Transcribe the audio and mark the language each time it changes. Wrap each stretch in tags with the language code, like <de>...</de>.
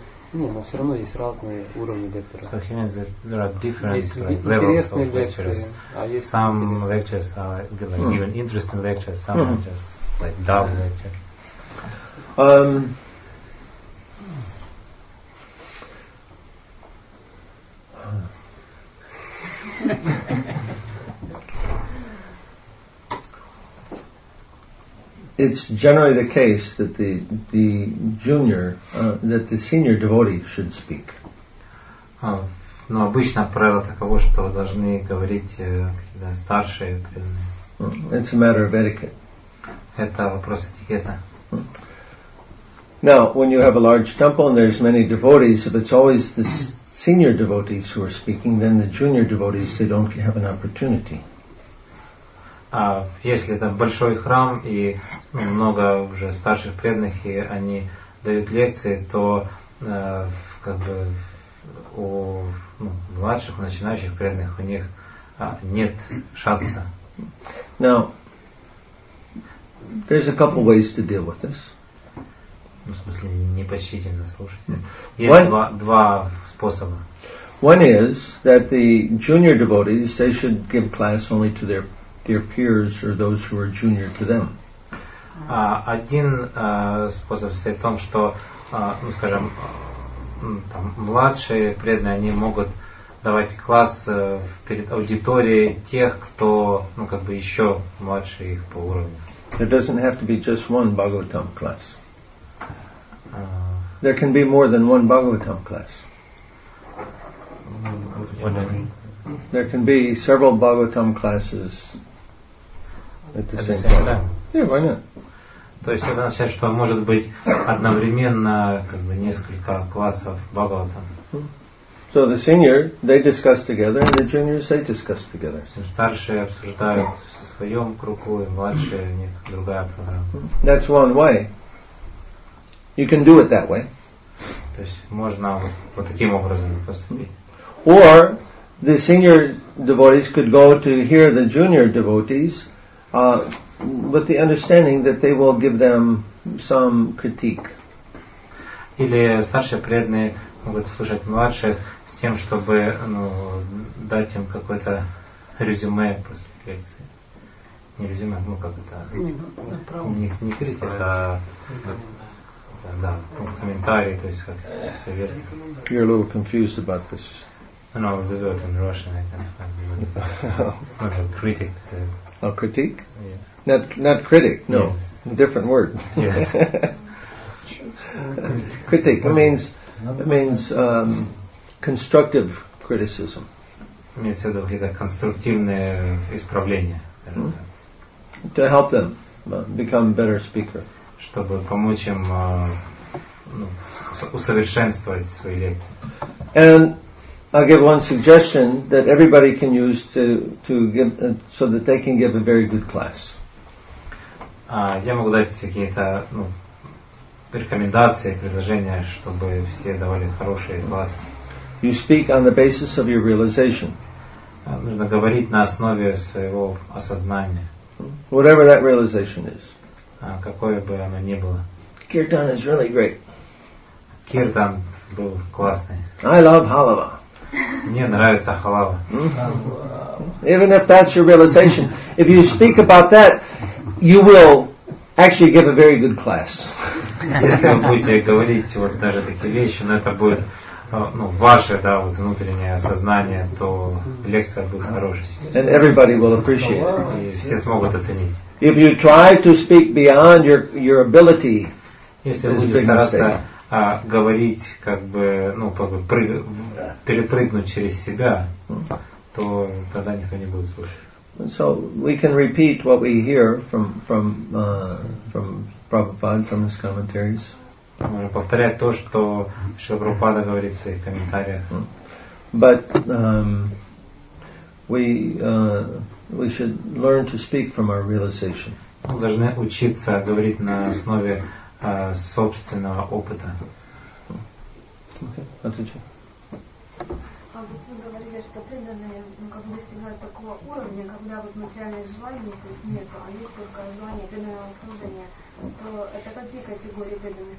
<ru>Нет, но все равно есть разные уровни лектора.</ru> <en>So he means that there are different levels of lectures. Some lectures are even interesting lectures, some are just like dull lectures. It's generally the case that the senior devotee should speak.</en> <ru>Но обычно правило таково, что должны говорить какие-то старшие.</ru> <en>It's a matter of etiquette.</en> <ru>Это вопрос этикета.</ru> <en>Now, when you have a large temple and there's many devotees, if it's always the senior devotees who are speaking, then the junior devotees, they don't have an opportunity.</en> <ru>Если это большой храм и много уже старших преданных, и они дают лекции, то как бы у младших, у начинающих преданных у них нет шанса.</ru> <en>Now, there's a couple ways to deal with this.</en> <ru>В смысле, непочтительно слушать. Есть два способа.</ru> <en>One is that the junior devotees, they should give class only to their peers or those who are junior to them.</en> <ru>Один способ состоит в том, что, ну, скажем, там младшие преданные, они могут давать класс перед аудиторией тех, кто, ну, как бы еще младше их по уровню.</ru> <en>It doesn't have to be just one Bhagavatam class. there can be more than one Bhagavatam class. There can be several Bhagavatam classes at the same time. Yeah, why not?</en> <ru>То есть это означает, что может быть одновременно как бы несколько классов Бхагаватам.</ru> <en>So the senior, they discuss together, and the juniors, they discuss together.</en> <ru>Старшие обсуждают в своем кругу, и младшие, у них другая программа.</ru> <en>That's one way. You can do it that way.</en> <ru>То есть можно вот, вот таким образом поступить.</ru> <en>Or the senior devotees could go to hear the junior devotees, with the understanding that they will give them some critique.</en> <ru>Или старшие преданные могут слушать младших с тем, чтобы ну, дать им какое-то резюме после лекции. Не резюме, ну как это? Не критика, а да, комментарий, то есть как совет.</ru> <en>You're a little confused about this. No, the word in Russian, I can't remember. Not a critic. A critique? Yeah. Not critic, no. Yes. Different word. Yes. Critique. It means constructive criticism.</en> <ru>Имеется в виду какие-то конструктивные исправления, скажем</ru> <en>так. To help them become better speaker.</en> <ru>Чтобы помочь им усовершенствовать свои лекции.</ru> <en>And I'll give one suggestion that everybody can use to give so that they can give a very good class.</en> <ru>Я могу дать какие-то ну, рекомендации, предложения, чтобы все давали хорошие классы.</ru> <en>You speak on the basis of your realization.</en> <ru>Нужно говорить на основе своего осознания.</ru> <en>Whatever that realization is.</en> <ru>Какое бы оно ни было.</ru> <en>Kirtan is really great.</en> <ru>Kirtan был классный.</ru> <en>I love halava.</en> <ru>Мне нравится халава.</ru> <en>Even if that's your realization, if you speak about that, you will actually give a very good class.</en> <ru>Если вы будете говорить вот даже такие вещи, но это будет ну, ваше да, вот внутреннее осознание, то лекция будет хорошей.</ru> <en>And everybody will appreciate it.</en> <ru>И все смогут оценить.</ru> <en>If you try to speak beyond your ability,</en> <ru>если вы будете стараться говорить, как бы, ну, перепрыгнуть через себя, то тогда никто не будет слушать.</ru> <en>So we can repeat what we hear from Prabhupada, from his commentaries.</en> <ru>Повторять то, что Шрила Прабхупада говорит в своих комментариях.</ru> <en>But we should learn to speak from our realization.</en> <ru>Мы должны учиться говорить на основе собственного опыта. Okay, отвечу. Вы говорили, что преданные ну, как бы достигают такого уровня, когда вот материальных желаний то есть нет, а есть только желание преданного служения, то это какие категории преданных?</ru>